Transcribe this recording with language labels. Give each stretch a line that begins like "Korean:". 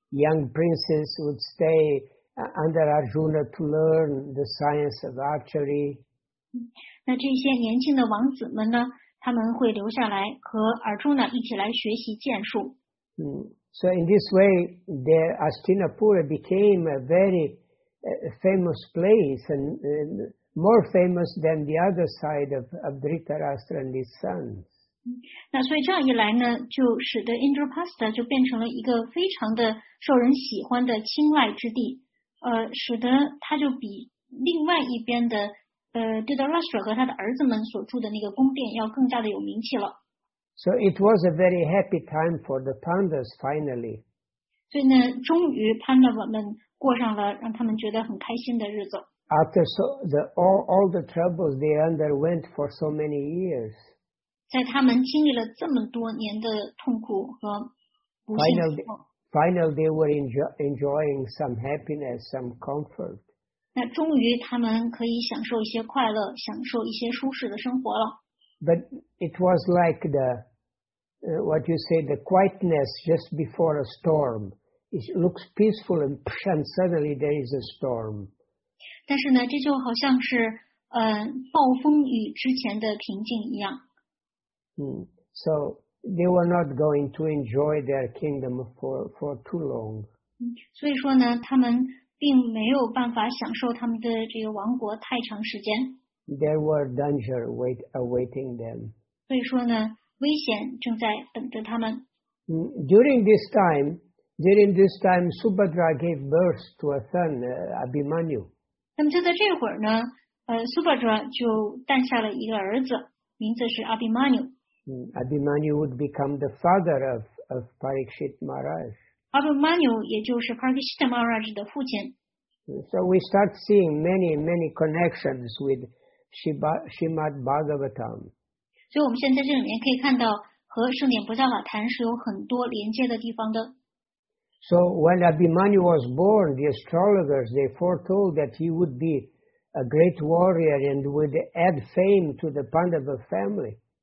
English: Young princes would stay under Arjuna to learn the science of archery.
Chinese: 那这些年轻的王子们呢，他们会留下来和 Arjuna 一起来学习剑术。
English: So in this way, the Hastinapura became a very famous place and more famous than the other side of Dhritarashtra and his sons.
Chinese: 那所以这样一来呢，就使得 Indraprastha 就变成了一个非常的受人喜欢的青睐之地，使得他就比另外一边的Dhritarashtra 和他的儿子们所住的那个宫殿要更加的有名气了。
English: So it was a very happy time for the Pandavas finally.
Chinese: 所以呢，终于 Pandava 们过上了让他们觉得很开心的日子。
English: After so the all the troubles they underwent for so many years,
Chinese: 在他们经历了这么多年的痛苦和不幸之后
English: finally they were enjoying some happiness, some comfort.
Chinese: 那终于他们可以享受一些快乐，享受一些舒适的生活了。
English: But it was like the quietness just before a storm. It looks peaceful and suddenly there is a storm.
Chinese: 但是呢，这就好像是暴风雨之前的平静一样。
English: So they were not going to enjoy their kingdom for too long.
Chinese: 所以说呢，他们并没有办法享受他们的这个王国太长时间。
English: There were danger awaiting them.
Chinese: 所以说呢，危险正在等着他们。
English: During this time, Subhadra gave birth to a son, Abhimanyu.
Chinese: 那么就在这会儿呢，Subhadra 就诞下了一个儿子，名字是 Abhimanyu。
English: Abhimanyu would become the father of Parikshit Maharaj.
Chinese: Abhimanyu 也就是 Parikshit Maharaj 的父亲。
English: So we start seeing many, many connections with Srimad Bhagavatam.
Chinese: 所以我们现在这里面可以看到和圣典菩萨瓦坛是有很多连接的地方的。
English: So when Abhimanyu was born, the astrologers, they foretold that he would be a great warrior and would add fame to the Pandava family.